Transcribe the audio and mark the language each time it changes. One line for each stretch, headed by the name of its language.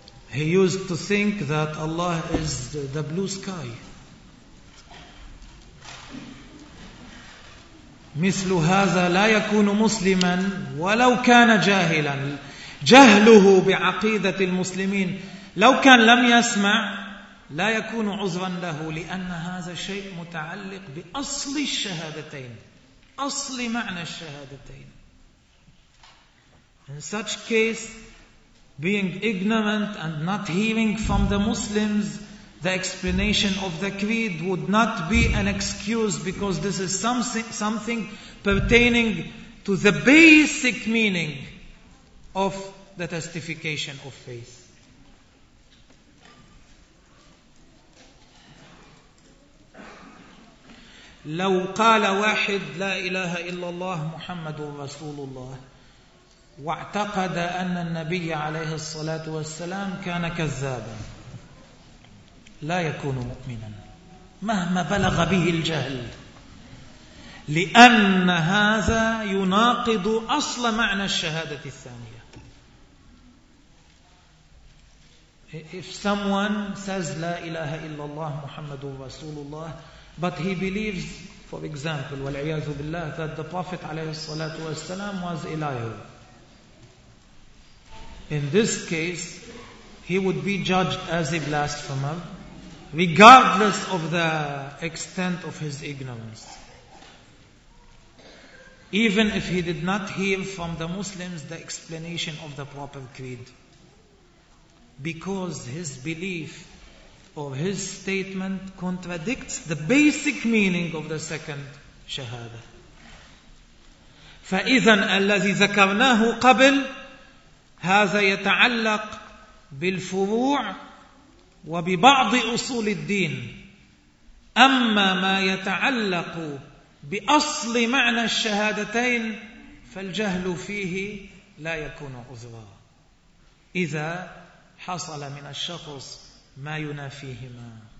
English: He used to think that Allah is the blue sky.
Arabic: مثل هذا لا يكون مسلما ولو كان جاهلا. جهله بعقيدة المسلمين لو كان لم يسمع لا يكون عذرا له لأن هذا شيء متعلق بأصل الشهادتين, أصل معنى الشهادتين.
English: In such case, being ignorant and not hearing from the Muslims the explanation of the creed would not be an excuse, because this is something pertaining to the basic meaning of the testification of faith.
Arabic: لو قال واحد لا إله إلا الله محمد رسول الله واعتقد أن النبي عليه الصلاة والسلام كان كذابا لا يكون مؤمنا مهما بلغ به الجهل, لأن هذا يناقض أصل معنى الشهادة الثانية.
English: If someone says
Arabic: لا إله إلا الله محمد رسول الله
English: but he believes, for example,
Arabic: والعياذ بالله,
English: that the Prophet
Arabic: عليه الصلاة والسلام
English: was a liar, in this case, he would be judged as a blasphemer, regardless of the extent of his ignorance. Even if he did not hear from the Muslims the explanation of the proper creed. Because his belief or his statement contradicts the basic meaning of the second shahada.
Arabic: فَإِذًا الَّذِي ذَكَرْنَاهُ قَبْلٍ هذا يتعلق بالفروع وببعض أصول الدين, أما ما يتعلق بأصل معنى الشهادتين فالجهل فيه لا يكون عذرا إذا حصل من الشخص ما ينافيهما.